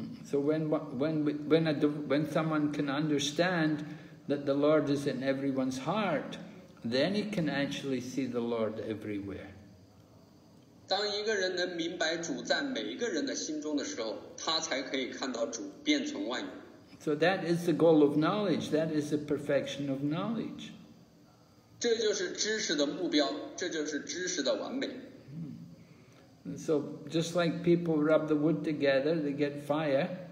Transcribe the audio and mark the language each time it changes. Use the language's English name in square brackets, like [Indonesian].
[English] So when someone can understand that the Lord is in everyone's heart, then he can actually see the Lord everywhere. [Chinese] 当一个人能明白主在每一个人的心中的时候，他才可以看到主遍存万有。 [English] So that is the goal of knowledge. That is the perfection of knowledge. [Chinese] 这就是知识的目标，这就是知识的完美。 [English] So just like people rub the wood together, they get fire.